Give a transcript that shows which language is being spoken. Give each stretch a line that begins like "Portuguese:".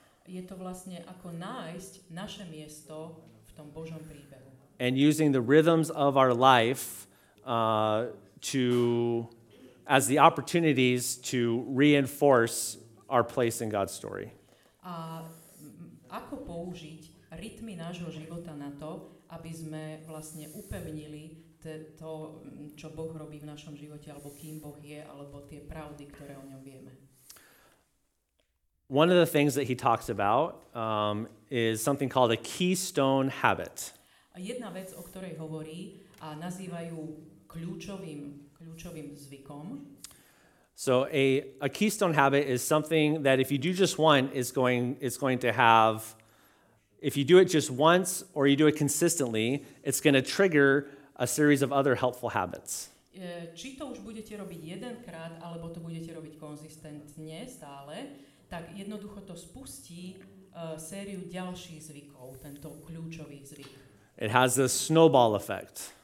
Slovak: Je to vlastne ako nájsť naše miesto v tom Božom príbehu.
English: And using the rhythms of our life to as the opportunities to reinforce our place in God's story.
Slovak: A ako použiť rytmy nášho života na to, aby sme vlastne upevnili to, čo Boh robí v našom živote, alebo kým Boh je, alebo tie pravdy, ktoré o ňom vieme.
English: One of the things that he talks about is something called a keystone habit.
Slovak: Jedna vec, o ktorej hovorí a nazývajú kľúčovým zvykom.
English: So a keystone habit is something that if you do just one is going to have, if you do it just once or you do it consistently, it's going to trigger a series of other helpful habits.
Slovak: Či to už budete robiť jedenkrát alebo to budete robiť konzistentne stále, tak jednoducho to spustí sériu ďalších zvykov, tento kľúčový zvyk.
English: It has a snowball effect.